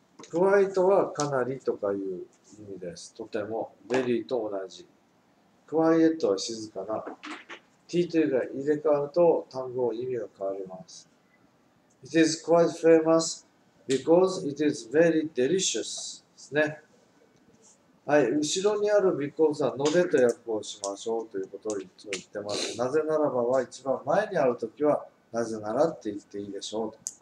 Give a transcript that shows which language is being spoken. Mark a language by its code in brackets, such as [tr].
[ja] クワイトはかなりとかいう意味です。とても。ベリーと同じ。クワイエットは静かな。T と E が入れ替わると単語の意味が変わります。 [en] It is quite famous because it is very delicious. [ja] ですね。はい。後ろにある because はのでと訳をしましょうということをいつも言ってます。なぜならばは一番前にあるときはなぜならって言っていいでしょうと。